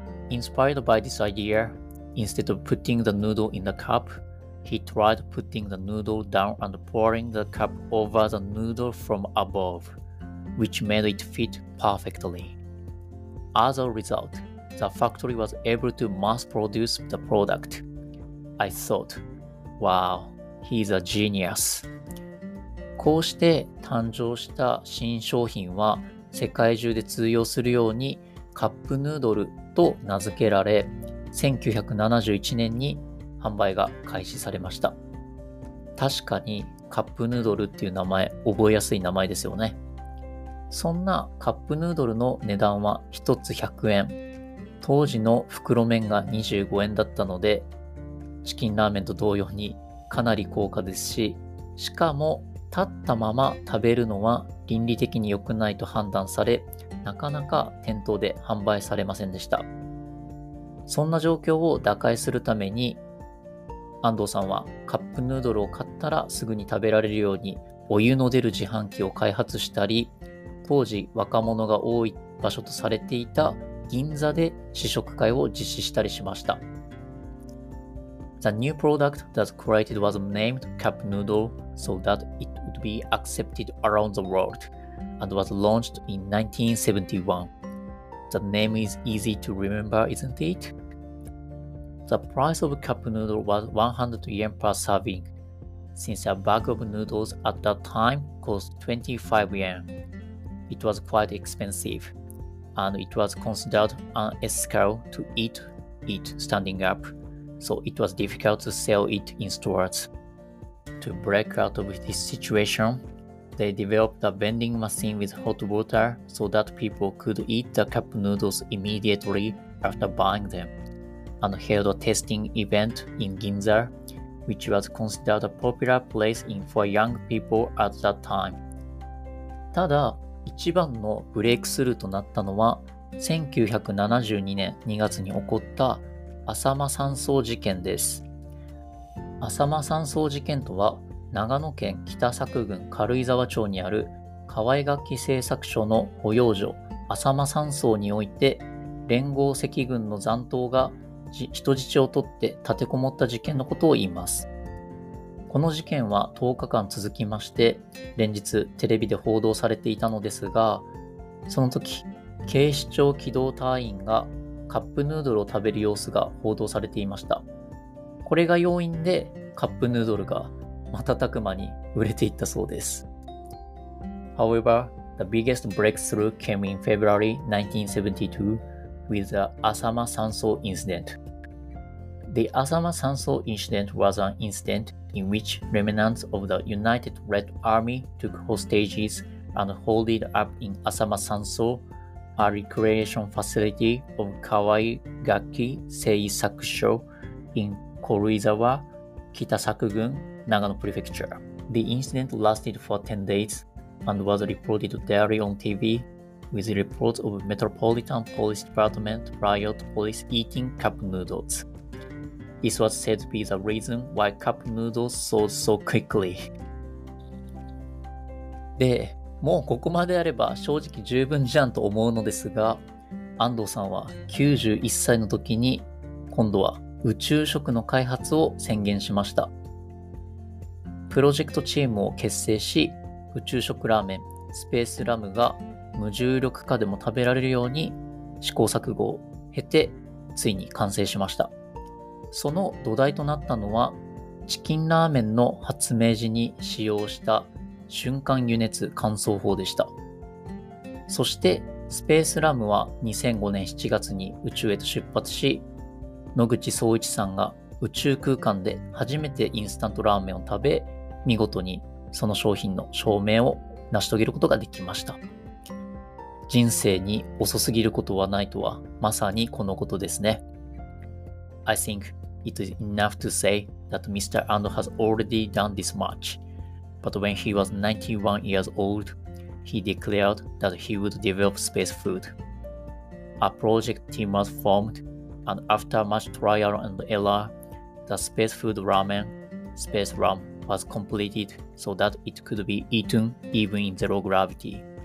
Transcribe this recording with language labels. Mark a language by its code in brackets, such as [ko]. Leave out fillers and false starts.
[en] Inspired by this idea, instead of putting the noodle in the cup, he tried putting the noodle down and pouring the cup over the noodle from above, which made it fit perfectly. As a result, the factory was able to mass produce the product. I thought, wow, he's a genius. [ja] こうして誕生した新商品は世界中で通用するようにカップヌードルと名付けられ、1971年に販売が開始されました。確かにカップヌードルっていう名前、覚えやすい名前ですよね。そんなカップヌードルの値段は1つ100円。当時の袋麺が25円だったので、チキンラーメンと同様にかなり高価ですし、しかも立ったまま食べるのは倫理的に良くないと判断され、なかなか店頭で販売されませんでした。そんな状況を打開するために、安藤さんはカップヌードルを買ったらすぐに食べられるようにお湯の出る自販機を開発したり、当時若者が多い場所とされていた銀座で試食会を実施したりしました。 [en] The new product that created was named Cup Noodle so that it would be accepted around the world. and was launched in 1971. The name is easy to remember, isn't it? The price of a cup noodle was 100 yen per serving, since a bag of noodles at that time cost 25 yen. It was quite expensive, and it was considered an escrow to eat it standing up, so it was difficult to sell it in stores. To break out of this situation, they developed a vending machine with hot water so that people could eat the cup noodles immediately after buying them, and held a tasting event in Ginza, which was considered a popular place for young people at that time. [ja] ただ、一番のブレイクスルーとなったのは、1972年2月に起こった浅間山荘事件です。浅間山荘事件とは、長野県北佐久郡軽井沢町にある河合楽器製作所の保養所浅間山荘において連合赤軍の残党が人質を取って立てこもった事件のことを言います。この事件は10日間続きまして、連日テレビで報道されていたのですが、その時警視庁機動隊員がカップヌードルを食べる様子が報道されていました。これが要因でカップヌードルが瞬く間に売れていったそうです。 [en] However, the biggest breakthrough came in February 1972 with the Asama Sanso incident. The Asama Sanso incident was an incident in which remnants of the United Red Army took hostages and holed up in Asama Sanso, a recreation facility of Kawai Gakki Seisakusho in Koruizawa, Kitasakugun,Nagano Prefecture. The incident lasted for 10 days and was reported daily on TV, with reports of Metropolitan Police Department riot police eating cup noodles. This was said to be the reason why cup noodles sold so quickly. [ja] で、もうここまであれば正直十分じゃんと思うのですが、安藤さんは91歳の時に今度は宇宙食の開発を宣言しました。プロジェクトチームを結成し、宇宙食ラーメン、スペースラムが無重力下でも食べられるように試行錯誤を経て、ついに完成しました。その土台となったのは、チキンラーメンの発明時に使用した瞬間油熱乾燥法でした。そして、スペースラムは2005年7月に宇宙へと出発し、野口聡一さんが宇宙空間で初めてインスタントラーメンを食べ、見事にその商品の証明を成し遂げることができました。人生に遅すぎることはないとは、まさにこのことですね。 [en] I think it is enough to say that Mr. And has already done this much. But when he was 91 years old, he declared that he would develop space food. A project team was formed, and after much trial and error,The space food ramen, space ram, was completed so that it could be eaten even in zero gravity.